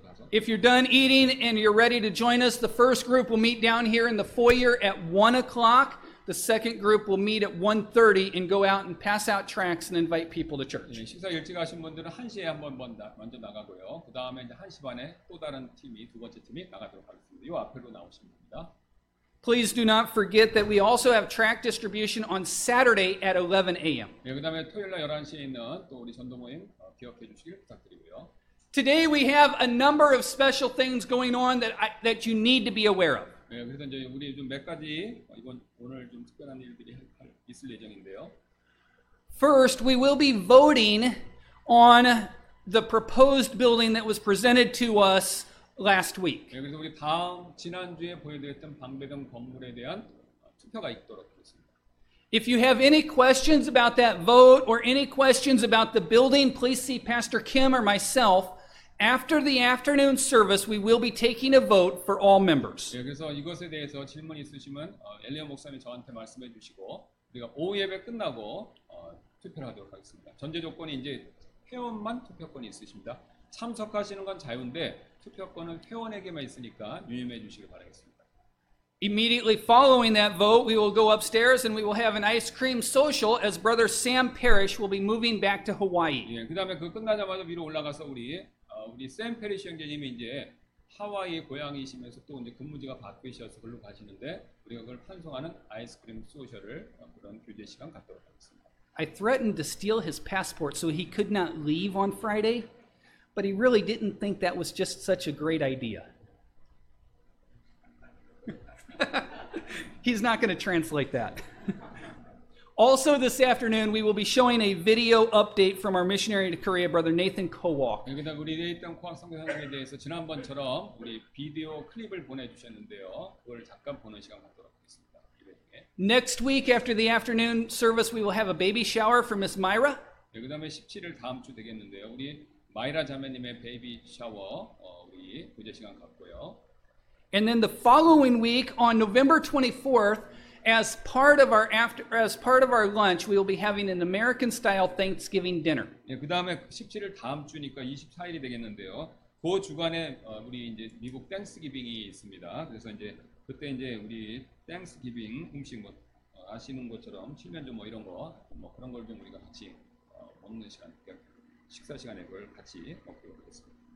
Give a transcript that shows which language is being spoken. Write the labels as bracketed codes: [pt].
[en] If you're done eating and you're ready to join us, the first group will meet down here in the foyer at 1 o'clock. The second group will meet at 1:30 and go out and pass out tracts and invite people to church. [ko] 식사 일찍 하신 분들은 1시에 한번 먼저 나가고요. 그 다음에 이제 1시 반에 또 다른 팀이, 두 번째 팀이 나가도록 하겠습니다. 요 앞으로 나오시면 됩니다. [en] Please do not forget that we also have tract distribution on Saturday at 11 a.m. [ko] 예, 그 다음에 토요일날 11시에 있는 또 우리 전도 모임 기억해 주시길 부탁드리고요. [en] Today we have a number of special things going on that you need to be aware of. [ko] 예, 그래서 이제 우리 좀 몇 가지 이번 오늘 좀 특별한 일들이 있을 예정인데요. [en] First, we will be voting on the proposed building that was presented to us last week. [ko] 예, 그래서 우리 다음 지난주에 보여드렸던 방배동 건물에 대한 투표가 있도록 하겠습니다. [en] If you have any questions about that vote or any questions about the building, please see Pastor Kim or myself. After the afternoon service, we will be taking a vote for all members. [ko] 예, 그래서 이것에 대해서 질문 있으시면 엘리엄 목사님 저한테 말씀해 주시고 우리가 오후 예배 끝나고 투표를 하도록 하겠습니다. 전제 조건이 이제 회원만 투표권이 있으십니다. 참석하시는 건 자유인데 투표권은 회원에게만 있으니까 유념해 주시기 바라겠습니다. [en] Immediately following that vote, we will go upstairs and we will have an ice cream social as Brother Sam Parrish will be moving back to Hawaii. [ko] 예, 그다음에 그 끝나자마자 위로 올라가서 우리 샘 페리시 형제님이 이제 하와이 고향이시면서 또 이제 근무지가 바뀌셔서 그걸로 가시는데 우리가 그걸 환송하는 아이스크림 소셜을 그런 교제 시간 갖도록 하겠습니다. [en] I threatened to steal his passport so he could not leave on Friday, but he really didn't think that was just such a great idea. He's not going to translate that. Also this afternoon, we will be showing a video update from our missionary to Korea, Brother Nathan Kowak. [ko] 여기다 우리 네이튼 코왁 선교사님에 대해서 지난번처럼 우리 비디오 클립을 보내주셨는데요. 그걸 잠깐 보는 시간 갖도록 하겠습니다. [en] Next week after the afternoon service, we will have a baby shower for Miss Myra. [ko] 여기 다음에 17일 다음 주 되겠는데요. 우리 마이라 자매님의 베이비 샤워 우리 교제 시간 갖고요. [en] And then the following week on November 24th, as part of our lunch, we will be having an American style Thanksgiving dinner. [ko] 예, 그다음에 17일 다음 주니까 24일이 되겠는데요. 그 주간에 우리 이제 미국 땡스기빙이 있습니다. 그래서 이제 그때 이제 우리 땡스기빙 음식 뭐 아시는 것처럼 칠면조 뭐 이런 거 뭐 그런 걸 좀 우리가 같이 먹는 시간, 식사 시간에 그걸 같이 먹도록 하겠습니다.